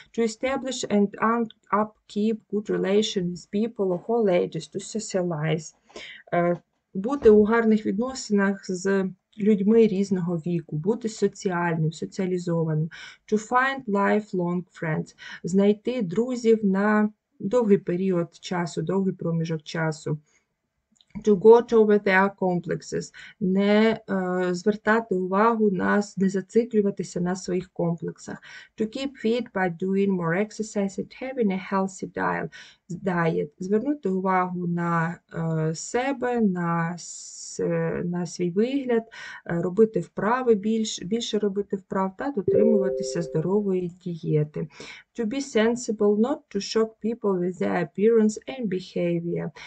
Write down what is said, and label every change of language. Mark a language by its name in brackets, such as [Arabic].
[English] To establish and upkeep good relations with people of all ages. To socialize. [Ukrainian] Бути у гарних відносинах з людьми різного віку, бути соціальним, соціалізованим, [English] to find lifelong friends, [Ukrainian] знайти друзів на довгий період часу, довгий проміжок часу, Чого човити комплекси? Не звертати увагу на не зациклюватися на своїх комплексах. [English] To keep fit by doing more exercise and having a healthy diet. [Ukrainian] Звернути увагу на себе, на свій вигляд, робити вправи більше робити вправ та дотримуватися здорової дієти. [English] To be sensible, not to shock people with their appearance and behavior.